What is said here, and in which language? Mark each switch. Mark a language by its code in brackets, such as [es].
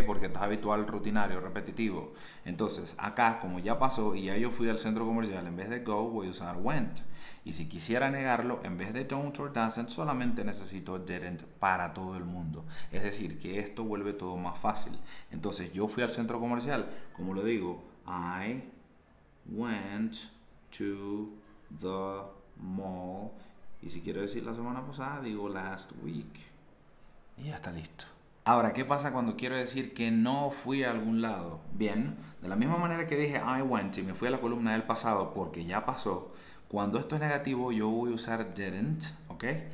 [es] Porque está habitual, rutinario, repetitivo. Entonces, acá, como ya pasó y ya yo fui al centro comercial, en vez de go voy a usar went. Y si quisiera negarlo, en vez de don't or doesn't, solamente necesito didn't para todo el mundo. Es decir, que esto vuelve todo más fácil. Entonces, yo fui al centro comercial. Como lo digo, [en] I went to the mall. [es] Y si quiero decir la semana pasada, digo [en] last week. [es] Y ya está listo. Ahora, ¿qué pasa cuando quiero decir que no fui a algún lado? Bien, de la misma manera que dije [en] I went [es] y me fui a la columna del pasado porque ya pasó, cuando esto es negativo yo voy a usar didn't, ¿ok?